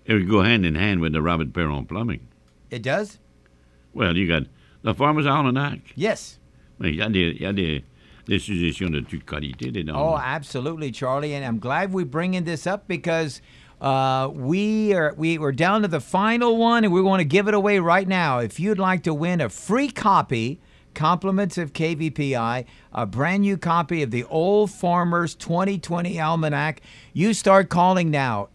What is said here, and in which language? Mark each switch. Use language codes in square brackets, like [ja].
[en] It would go hand in hand with the Robert Perron Plumbing. It does? Well, you got the Farmer's Almanac. Yes. [fr] Mais il y a des suggestions de toute qualité dedans. [en] Oh, absolutely, Charlie. And I'm glad we're bringing this up because... We're down to the final one, and we want to give it away right now. If you'd like to win a free copy, compliments of KVPI, a brand new copy of the Old Farmer's 2020 Almanac, you start calling now.